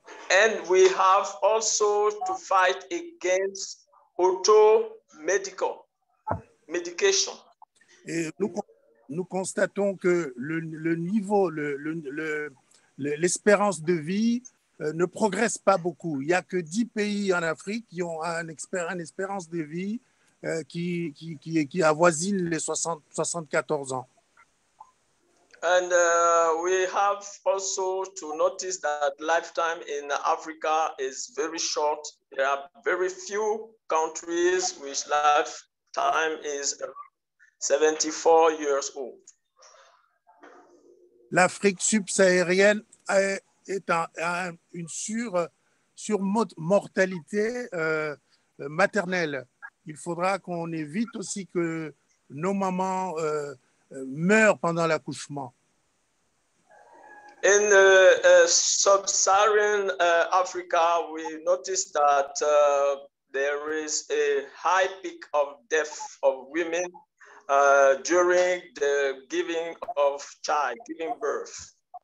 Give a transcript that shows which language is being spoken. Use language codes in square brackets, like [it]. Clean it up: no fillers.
[en] And we have also to fight against automedication. [fr] Et nous constatons que le niveau, l'espérance de vie ne progresse pas beaucoup. Il n'y a que 10 pays en Afrique qui ont une espérance de vie qui avoisine les 74 ans. [en] And we have also to notice that lifetime in Africa is very short. There are very few countries which lifetime is 74 years old. [fr] L'Afrique subsaharienne est une surmortalité maternelle. Il faudra qu'on évite aussi que nos mamans meurent pendant l'accouchement. [en] In sub-Saharan Africa, we notice that there is a high peak of death of women during the giving of child, giving birth.